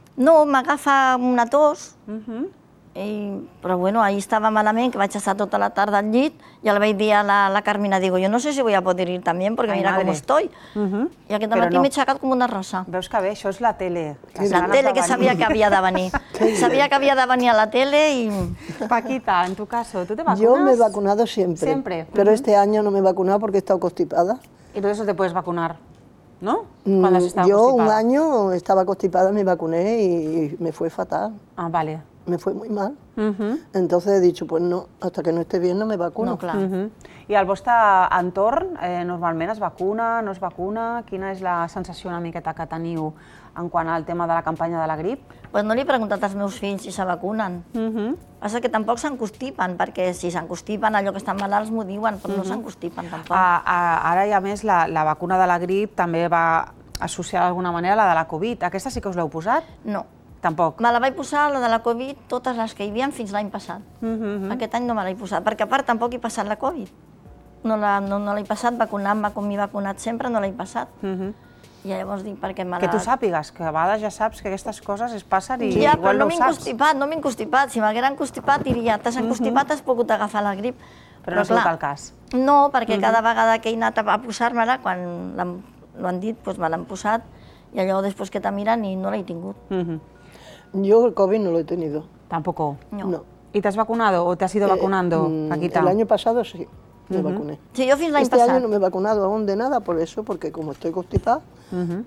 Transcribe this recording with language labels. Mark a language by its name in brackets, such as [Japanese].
[Catalan] No, m'agafa una tos. Uh-huh. Però bueno, ahir estava malament, que vaig estar tota la tarda al llit, i el vaig dir a la Carmina, [Spanish] digo, yo no sé si voy a poder ir también, porque mira cómo estoy. [Catalan] Uh-huh. I aquest matí m'he aixecat com una rosa. Veus que bé, això és la tele. La tele, que sabia que havia de venir. Sabia que havia de venir a la tele i... [Spanish] Paquita, en tu caso, ¿tú te vacunas? Yo me he vacunado siempre. Siempre. Pero este año no me he vacunado porque he estado constipada. Y por eso te puedes vacunar, ¿no? Yo un año estaba constipada, me vacuné y me fue fatal. Ah, vale. Me fue muy mal. Uh-huh. Entonces he dicho, pues no, hasta que no esté bien no me vacuno. [Catalan] No, clar. Uh-huh. I el vostre entorn, normalment es vacuna, no es vacuna? Quina és la sensació una miqueta que teniu en quant al tema de la campanya de la grip? Pues no li he preguntat als meus fills si se vacunen. Uh-huh. Passa que tampoc s'encostipen, perquè si s'encostipen, allò que estan malalts m'ho diuen, però uh-huh. no s'encostipen tampoc. Ara, i a més, la vacuna de la grip també va associar d'alguna manera la de la Covid. Aquesta sí que us l'heu posat? No. Tampoc. Me la vaig posar, la de la Covid, totes les que hi havia fins l'any passat. Uh-huh. Aquest any no me l'he posat, perquè a part tampoc he passat la Covid. No l'he passat, vacunant-me com m'he vacunat sempre, no l'he passat. Uh-huh. I llavors dic, perquè me la... Que tu sàpigues, que a vegades ja saps que aquestes coses es passen i ja, igual no ho saps. No m'he encostipat. Si m'hagueren encostipat, diria, t'has encostipat, uh-huh. has pogut agafar la grip. Però no ha sigut el cas. No, perquè uh-huh. cada vegada que he anat a posar-me-la, quan l'han dit, doncs me l'han posat, i allò després que te miren i no l'he tingut. Uh-huh. [Spanish] Yo el COVID no lo he tenido. ¿Tampoco? No. ¿Y te has vacunado o te has ido vacunando, Paquita? El año pasado sí, uh-huh. me vacuné. Sí, yo fin de año pasado. Este año no me he vacunado aún de nada por eso, porque como estoy constipada, uh-huh.